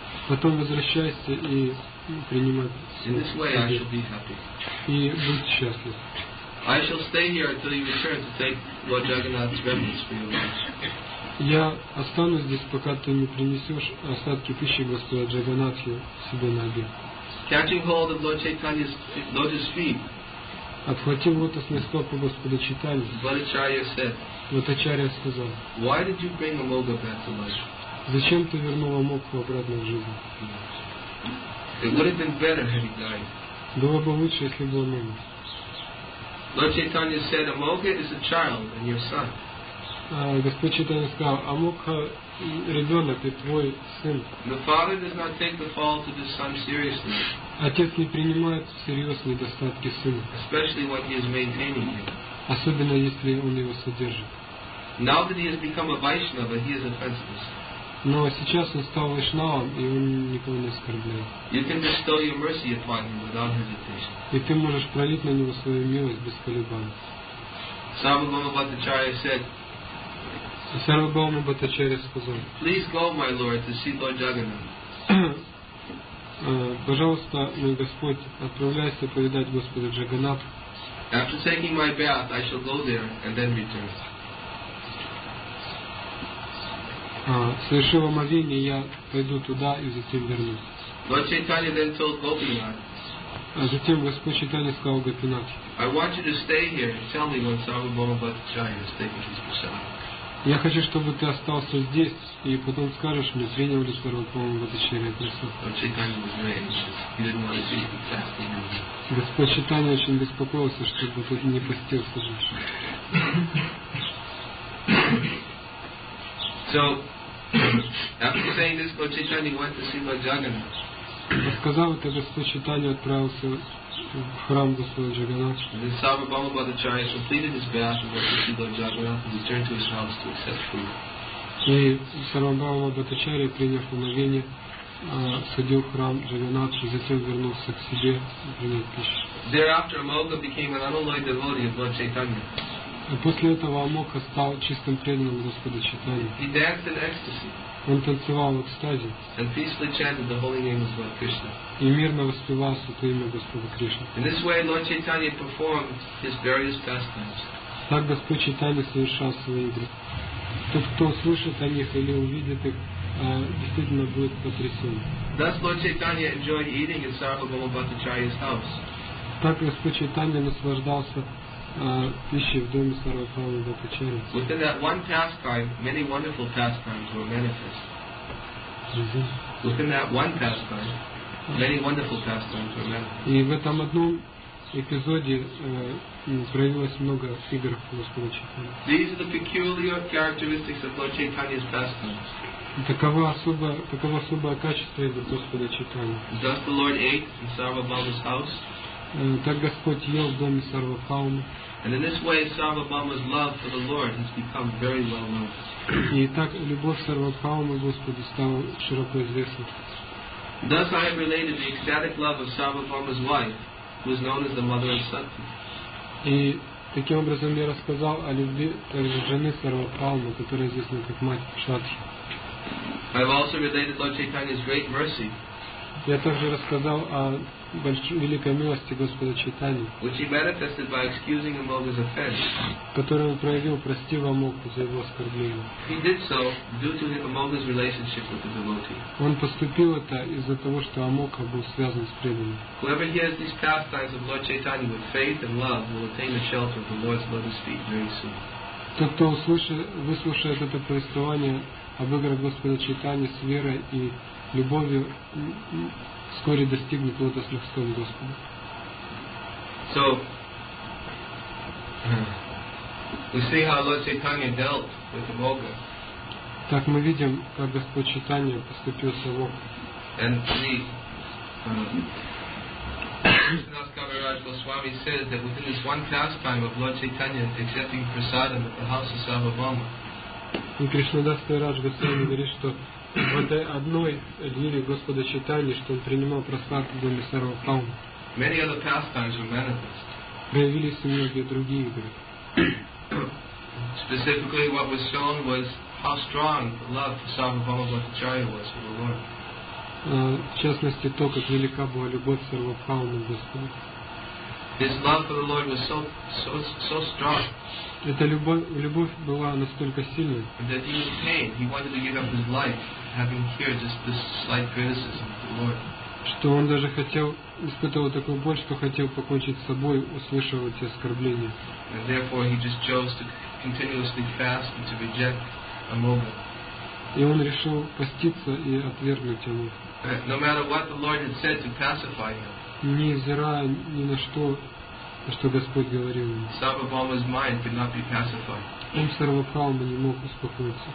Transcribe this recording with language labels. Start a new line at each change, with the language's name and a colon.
Russian: Потом возвращайся и принимай.
English: In this way I shall be happy.
Russian: И будь счастлив.
English: I shall stay here until you return to take Lord Jagannath's remnants for your lunch.
Russian: Я останусь здесь, пока ты не принесешь остатки пищи Господа Джаганнатха себе на обед.
English: Catching hold of Lord Chaitanya's lotus feet.
Russian: Отхватил лотосные стопы Господа Чайтанья.
English: Бхаттачарья said.
Russian: Бхаттачарья сказал.
English: Why did you bring Amoga back to life?
Russian: Зачем ты вернул Амоку обратно в жизнь?
English: It would have been better had he died.
Russian: Было бы лучше, если бы он умер.
English: Lord Chaitanya said, Amogha is a child and your son.
Russian: Господь Чайтанья сказал, Амогха – ребенок и твой сын.
English: The father does not take the fault of his son seriously.
Russian: Отец не принимает всерьез недостатки сына.
English: Especially when he is maintaining him.
Russian: Особенно если он его содержит.
English: Now that he has become a Vaishnava, he is offenseless.
Russian: Но сейчас он стал вайшнавом, и он никого не оскорбляет.
English: You can bestow your mercy upon him without hesitation.
Russian: И ты можешь пролить на него свою милость без колебаний.
English: Sarvabhauma Bhattacharya said,
Russian: Sarvabhauma Bhattacharya сказал,
English: Please go, my lord, to see Lord Jagannath.
Russian: Пожалуйста, мой Господь, отправляйся повидать Господа Джаганнатха.
English: After taking my bath, I shall go there and then return.
Russian: Совершив омовение, я пойду туда и затем вернусь.
English: Lord Chaitanya then told Gopinath.
Russian: Затем Господь Чайтанья сказал Гопинатхе.
English: I want you to stay here and tell me when Sarvabhauma Bhattacharya is taking his prasad.
Russian: Я хочу, чтобы ты остался здесь и потом скажешь мне, принял ли Сарвабхаума Бхаттачарья прасад.
English: Lord Chaitanya was very anxious. He didn't want to be fasting.
Russian: Господь Чайтанья очень беспокоился, чтобы ты не постился же.
English: So, after saying this, Lord Chaitanya went to see Lord Jagannath.
Russian: Сказав это, Господь Чайтанья отправился в храм Господа Джаганатха.
English: And then Sarvabhauma Bhattacharya completed his bath and went to see Lord Jagannath and returned to his house to accept food.
Russian: И Сарвабхаума Бхаттачарья, приняв омовение, сходил в храм Джаганатха и затем вернулся к себе принять пищу.
English: Thereafter, Amogha became an unalloyed devotee of Lord Chaitanya.
Russian: После этого Амогха стал чистым преданным Господа Чайтанья.
English: He danced in ecstasy.
Russian: Он танцевал в экстазе.
English: And peacefully chanted the holy name of Lord Krishna.
Russian: И мирно воспевал святое имя Господа Кришны.
English: In this way, Lord Chaitanya performed his various pastimes.
Russian: Так Господь Чайтанья совершал свои игры. Тот, кто услышит о них или увидит их, действительно будет потрясен.
English: Thus Lord Chaitanya enjoyed eating in Sarvabhauma Bhattacharya's house.
Russian: Так Господь Чайтанья наслаждался пищи в доме Сарвабхаумы Бхаттачарьи.
English: Within that one pastime, many wonderful pastimes were manifest. Within that one pastime, many wonderful pastimes were manifest.
Russian: И в этом одном эпизоде проявилось много игр Господа Чайтаньи.
English: These are the peculiar characteristics of Lord Chaitanya's pastimes.
Russian: Таково особое качество игр Господа Чайтаньи.
English: Thus the Lord ate in Sarvabhauma's house.
Russian: Так Господь ел в доме Сарвабхаумы.
English: And in this way, Sarvabhauma's love for the Lord has become very well known.
Russian: И так любовь Сарвабхаумы Господу стала широко известна.
English: Thus I have related the ecstatic love of Sarvabhauma's wife, who is known as the mother of Sati.
Russian: И таким образом я рассказал о любви также жены Сарвабхаумы, которая известна как мать Шатхи.
English: I have also related Lord Chaitanya's great mercy.
Russian: Я также рассказал о великой милости Господа Чайтаньи, которую он проявил, простив Амогху за его оскорбление.
English: He did so due to Amogha's relationship with the devotee.
Russian: Он поступил это из-за того, что Амогха был связан с преданным.
English: Whoever hears these pastimes of Lord Chaitanya with faith and love will attain the shelter of the Lord's lotus feet very soon.
Russian: Тот, кто выслушает это повествование об играх Господа Чайтаньи с верой и любовью, вскоре достигнут лотосных стоп Господа.
English: So, we see how Lord Chaitanya dealt with Amogha.
Russian: Так мы видим, как Господь Чайтанья поступил с Амогхой.
English: And the Vishnudas Kaviraj Goswami says that within this one pastime of Lord Chaitanya accepting prasadam at the house of Sarvabhauma.
Russian: И Кришнадас Кавирадж Госвами говорит, что в этой одной лире Господа Чайтаньи, что он принимал прасад в доме Сарвабхаумы.
English: Many other pastimes were manifest.
Russian: Проявились и многие другие игры.
English: Specifically, what was shown was how strong the love for Sarvabhauma Bhattacharya was for the Lord.
Russian: В частности, то, как велика была любовь Сарвабхаумы к Господу.
English: His love for the Lord was so strong.
Russian: Эта любовь была настолько сильной,
English: that he was pained. He wanted to give up his life, having heard just this slight criticism of the Lord.
Russian: Что он даже хотел, испытывал такую боль, что хотел покончить с собой, услышав эти оскорбления.
English: And therefore he just chose to continuously fast and to reject Amogha.
Russian: И он решил поститься и отвергнуть его.
English: No matter what the Lord had said to pacify him.
Russian: Не взирая ни на что, что Господь говорил ему.
English: Сарвабхаума's mind could not be pacified.
Russian: Он Сарвабхаума не мог успокоиться.